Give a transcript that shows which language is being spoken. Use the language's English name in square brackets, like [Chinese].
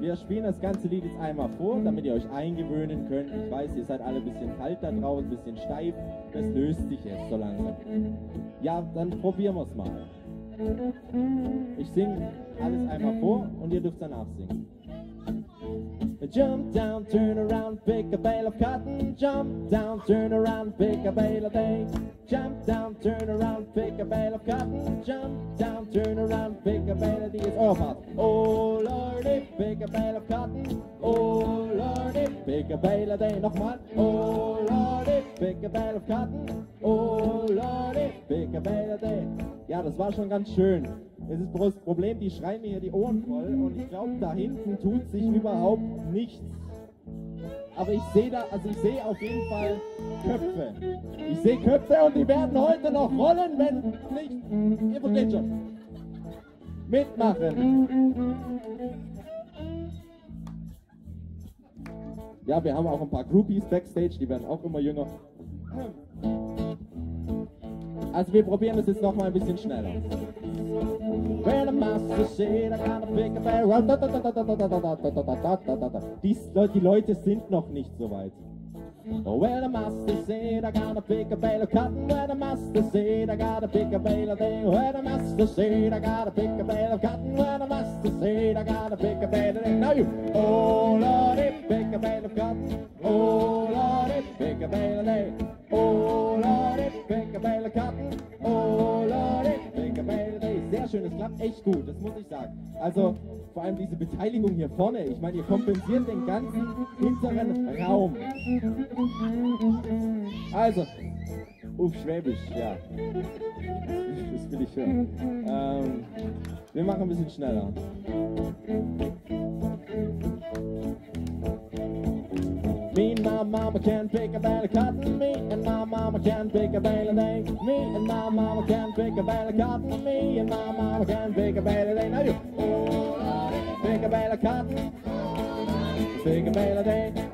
[German] Wir spielen das ganze Lied jetzt einmal vor, damit ihr euch eingewöhnen könnt. Ich weiß, ihr seid alle ein bisschen kalt da draußen, ein bisschen steif. Das löst sich jetzt so langsam. Ja, dann probieren wir es mal. Ich singe alles einmal vor und ihr dürft danach singen. [English] Jump down, turn around, pick a bale of cotton. Jump down, turn around, pick a bale of hay. Jump down, turn around, pick a bale of cotton. Jump down, turn around, pick a bale of these. Oh, Lord, oh Lordy, pick a bale of cotton. Oh Lordy, pick a bale of hay. [German] Nochmal. [English] Oh Lordy, pick a bale of cotton. Oh Lordy, pick a bale of hay. [German] Ja, das war schon ganz schön. Es ist bloß das Problem, die schreien mir hier die Ohren voll und ich glaube, da hinten tut sich überhaupt nichts. Aber ich sehe da, also ich sehe auf jeden Fall Köpfe. Ich sehe Köpfe und die werden heute noch rollen, wenn nicht. Ihr versteht schon. Mitmachen. Ja, wir haben auch ein paar Groupies backstage, die werden auch immer jünger. Also wir probieren das jetzt nochmal ein bisschen schneller. Well, die Leute sind noch nicht so weit. [English] Well, the master said I gotta pick a bale of cotton. Well, the master said I gotta pick a bale of hay. Well, the master said I gotta pick a bale of cotton. Well, the master said I gotta pick a bale of hay. Now you, oh Lordy, pick a bale of cotton. Oh Lordy, pick a bale of hay. Oh Lordy, pick a bale of cotton. Oh Lordy, pick a bale of hay. [German] Sehr schön, es klappt echt gut, das muss ich sagen. Also vor allem diese Beteiligung hier vorne. Ich meine, ihr kompensiert den ganzen hinteren Raum. Also, auf Schwäbisch, ja. Das will ich hören. Wir machen ein bisschen schneller. [English] Me and my mama can pick a bale of cotton. Me and my mama can pick a bale of hay. Me and my mama can pick a bale of cotton. Me and my mama can pick a bale of hay. Now you, oh, pick a bale of cotton. Pick a bale of hay.